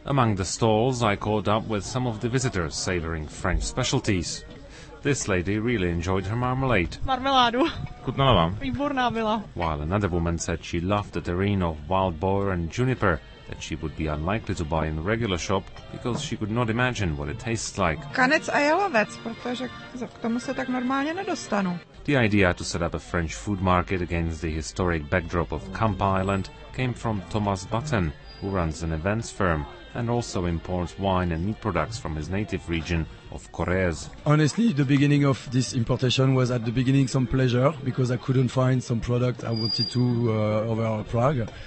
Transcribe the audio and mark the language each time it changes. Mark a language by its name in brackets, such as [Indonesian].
[English] Among the stalls, I caught up with some of the visitors savoring French specialties. This lady really enjoyed her marmalade. [Czech] Marmeládu. Chutnala vám? Výborná byla. [English] While another woman said she loved the terrine of wild boar and juniper, that she would be unlikely to buy in the regular shop because she could not imagine what it tastes like. [Czech] Kanec a jelovec, protože k tomu se tak normálně nedostanu. [English] The idea to set up a French food market against the historic backdrop of Campa Island came from Thomas Button, who runs an events firm and also imports wine and meat products from his native region of Corrèze. Honestly, the beginning of this importation was at the beginning some pleasure because I couldn't find some product I wanted to over Prague.